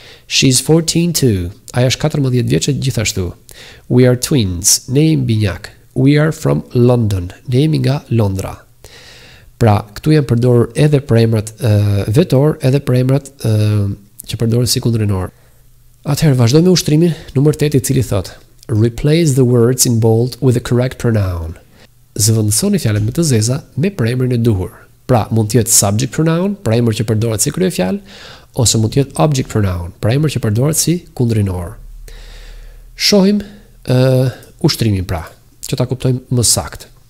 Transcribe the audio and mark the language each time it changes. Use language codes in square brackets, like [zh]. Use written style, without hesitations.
[en] She's 14 too. [sq] Aja është 14 vjeqe gjithashtu. [en] We are twins. [sq] Ne jemi binjak. [en] We are from London. [sq] Ne jemi nga Londra. Pra, këtu janë përdorur edhe prejmrat vetor, edhe prejmrat që përdorën si kundrinor. Atëherë, vazhdojmë me ushtrimin numër 8 I cili thot. [en] Replace the words in bold with the correct pronoun. [sq] Zëvëndësoni fjalet me të zeza me prejmrin e duhur. Pra, mund tjetë subject pronoun, prejmër që përdorët si kryefjalë, ose mund tjetë object pronoun, prejmër që përdorët si kundrinor. Shohim ushtrimin pra, që ta kuptojmë më sakt.